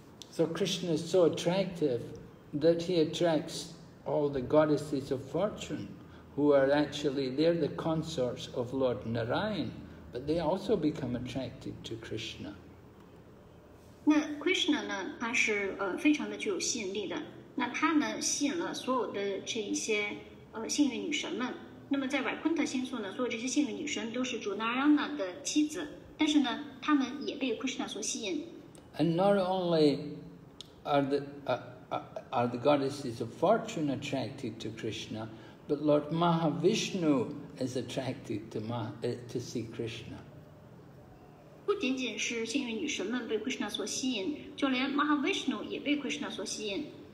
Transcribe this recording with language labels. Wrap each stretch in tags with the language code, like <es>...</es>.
<en>So Krishna is so attractive that he attracts all the goddesses of fortune who are actually, they're the consorts of Lord Narayan, but they also become attracted to Krishna.</en> <zh>那 Krishna 呢他是非常的具有吸引力的。那他呢吸引了所有的这一些幸运女神们。那么在瓦昆特星宿呢，所有这些幸运女神都是主纳拉纳的妻子，但是呢，她们也被 Krishna 所吸引。</zh> <en>And not only are the goddesses of fortune attracted to Krishna, but Lord Mahavishnu is attracted to see Krishna.</en> <zh>不仅仅是幸运女神们被 Krishna 所吸引，就连 Mahavishnu 也被 Krishna 所吸引。</zh>